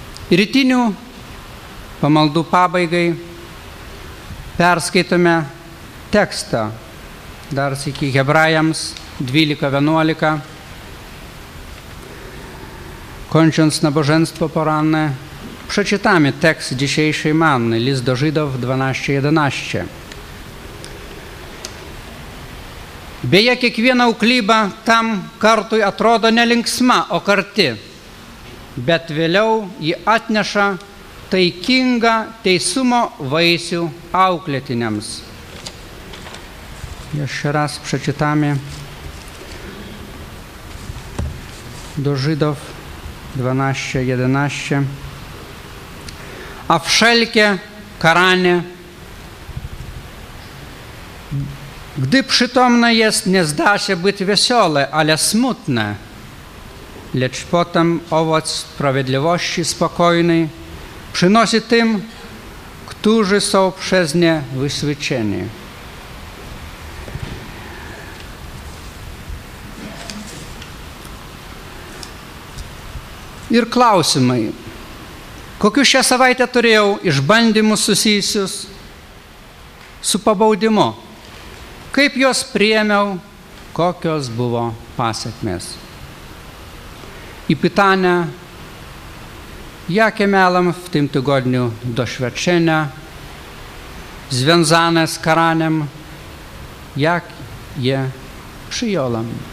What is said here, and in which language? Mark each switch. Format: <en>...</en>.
<lt>Rytinių pamaldų pabaigai perskaitome tekstą dar sykį Hebrajams 12:11.</lt> <pl>Kończąc nabożeństwo poranne, przeczytamy tekst dzisiejszej manny, list do Żydów 12:11.</pl> <lt>Beje, kiekviena uklyba tam kartui atrodo nelinksma, o karti, bet vėliau ji atneša taikingą teisumo vaisių auklėtiniams.</lt> <pl>Jeszcze raz przeczytamy do Żydów 12:11. A wszelkie karanie, gdy przytomne jest, nie zda się być wesołe, ale smutne, lecz potem owoc sprawiedliwości spokojnej przynosi tym, którzy są przez nie wyswyczeni.</pl> <lt>Ir klausimai, kokius šią savaitę turėjau išbandymus susijusius su pabaudimu? Kaip juos priėmiau, kokios buvo pasekmės?</lt> <pl>I pytanie, jakie miałem w tym tygodniu doświadczenia związane z karaniem, jak je przyjąłem?</pl>